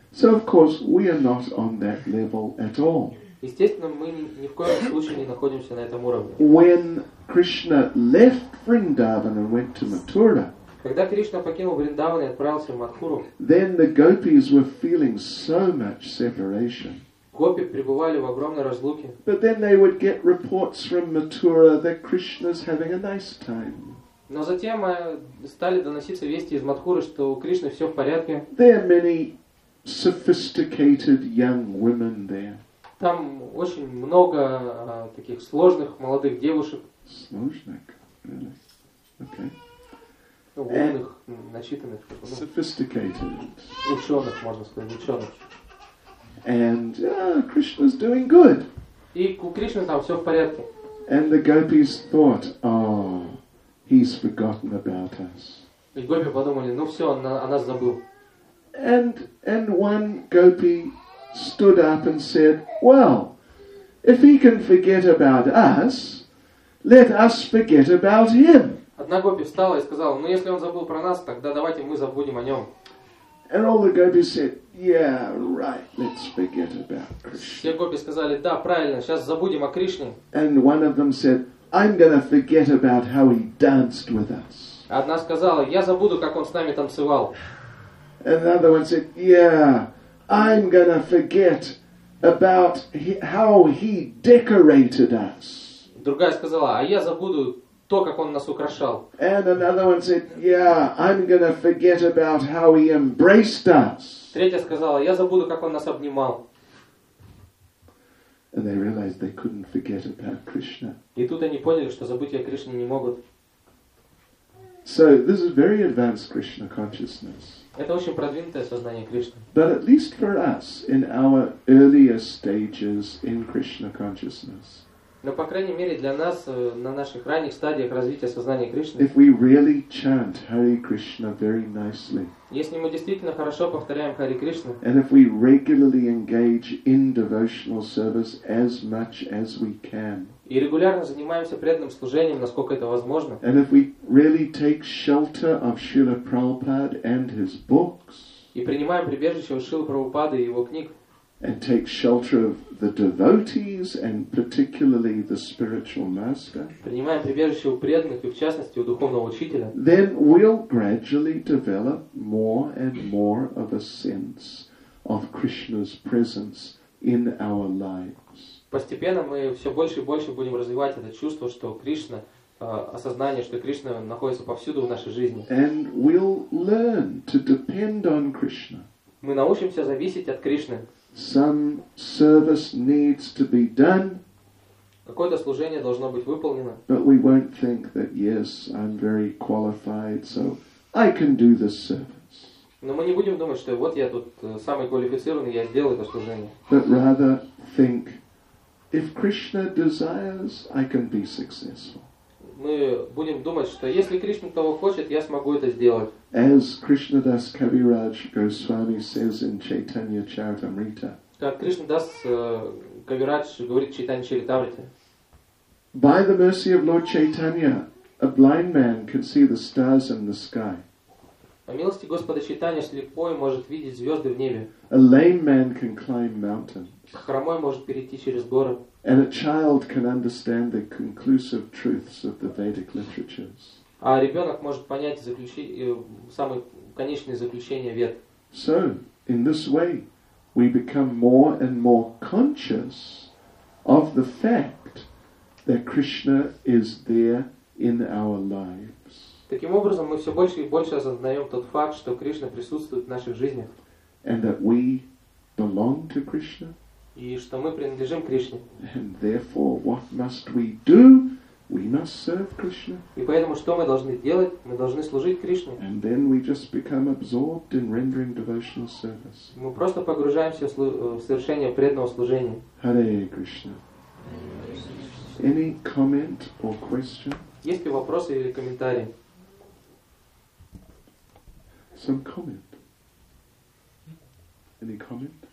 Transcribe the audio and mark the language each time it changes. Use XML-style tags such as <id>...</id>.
<en>So of course we are not on that level at all.</en> <ru>Естественно, мы ни в коем случае не находимся на этом уровне.</ru> <en>When Krishna left Vrindavan and went to Mathura,</en> <ru>когда Кришна покинул Вриндаван и отправился в Матхуру,</ru> <en>then the gopis were feeling so much separation.</en> <ru>Гопи пребывали в огромной разлуке.</ru> <en>But then they would get reports from Mathura that Krishna's having a nice time.</en> <ru>Но затем стали доноситься вести из Матхуры, что у Кришны все в порядке.</ru> <en>There are many sophisticated young women there.</en> <ru>Там очень много таких сложных молодых девушек.</ru> <en>Сложных? Really? Okay.</en> <ru>Умных, начитанных.</ru> <en>Sophisticated.</en> <ru>Ученых, можно сказать, ученых.</ru> <en>And Krishna's doing good.</en> <ru>И у Кришны там все в порядке.</ru> <en>And the gopis thought, oh, he's forgotten about us.</en> <ru>И гопи подумали, ну все, он о нас забыл.</ru> <en>And one gopi stood up and said, well, if he can forget about us, let us forget about him.</en> <ru>Одна гопи встала и сказала, ну если он забыл про нас, тогда давайте мы забудем о нем.</ru> <en>And all the gopis said, yeah, right, let's forget about Krishna.</en> <ru>Все гопи сказали, да, правильно, сейчас забудем о Кришне.</ru> <en>And one of them said, I'm gonna forget about how he danced with us.</en> <ru>Одна сказала, я забуду, как он с нами танцевал.</ru> <en>And another one said, yeah, I'm gonna forget about how he decorated us.</en> <ru>Другая сказала, а я забуду то, как он нас украшал.</ru> <en>And another one said, yeah, I'm gonna forget about how he embraced us.</en> <ru>Третья сказала, я забуду, как он нас обнимал.</ru> <en>And they realized they couldn't forget about Krishna.</en> <ru>И тут они поняли, что забыть о Кришне не могут.</ru> <en>So this is very advanced Krishna consciousness.</en> <ru>Это очень продвинутое сознание Кришны.</ru> <en>But at least for us, in our earlier stages in Krishna consciousness.</en> <ru>Но по крайней мере для нас на наших ранних стадиях развития сознания Кришны.</ru> <en>If we really chant Hare Krishna very nicely.</en> <ru>Если мы действительно хорошо повторяем Хари Кришну.</ru> <en>And if we regularly engage in devotional service as much as we can.</en> <ru>И регулярно занимаемся преданным служением, насколько это возможно.</ru> <en>And if we really take shelter of Srila Prabhupada and his books.</en> <ru>И принимаем прибежище у Шрилы Прабхупады и его книг.</ru> <en>And take shelter of the devotees and particularly the spiritual master.</en> <ru>Принимаем прибежище у преданных и в частности у духовного учителя.</ru> <en>Then we'll gradually develop more and more of a sense of Krishna's presence in our lives.</en> <ru>Постепенно мы все больше и больше будем развивать это чувство, что Кришна, осознание, что Кришна находится повсюду в нашей жизни.</ru> <en>And we'll learn to depend on Krishna.</en> <ru>Мы научимся зависеть от Кришны.</ru> <en>Some service needs to be done.</en> <ru>Какое-то служение должно быть выполнено.</ru> <en>But we won't think that yes, I'm very qualified, so I can do this service.</en> <ru>Но мы не будем думать, что вот я тут самый квалифицированный, я сделаю это служение.</ru> <en>But rather think, if Krishna desires, I can be successful.</en> <ru>Мы будем думать, что если Кришна того хочет, я смогу это сделать.</ru> <en>As Krishnadas Kaviraj Goswami says in Chaitanya Charitamrita.</en> <ru>Как Кришнадас Кавирадж говорит в Чайтанья Чаритамрите.</ru> <en>By the mercy of Lord Chaitanya, a blind man can see the stars in the sky.</en> <ru>По милости Господа Чайтанья слепой может видеть звезды в небе.</ru> <en>A lame man can climb mountains.</en> <ru>Хромой может перейти через горы.</ru> <en>And a child can understand the conclusive truths of the Vedic literatures.</en> <ru>А ребенок может понять самые конечные заключения вед.</ru> <en>So, in this way, we become more and more conscious of the fact that Krishna is there in our lives.</en> <ru>Таким образом, мы все больше и больше осознаем тот факт, что Кришна присутствует в наших жизнях.</ru> <en>And that we belong to Krishna.</en> <ru>и что мы принадлежим Кришне.</ru> <en>And therefore, what must we do? We must serve Krishna.</en> <ru>И поэтому что мы должны делать? Мы должны служить Кришне.</ru> <en>And then we just become absorbed in rendering devotional service.</en> <ru>Мы просто погружаемся в совершение преданного служения.</ru> <en>Hare Krishna. Any comment or question?</en> <ru>Есть ли вопросы или комментарии?</ru> <en>Some comment. Any comment?</en>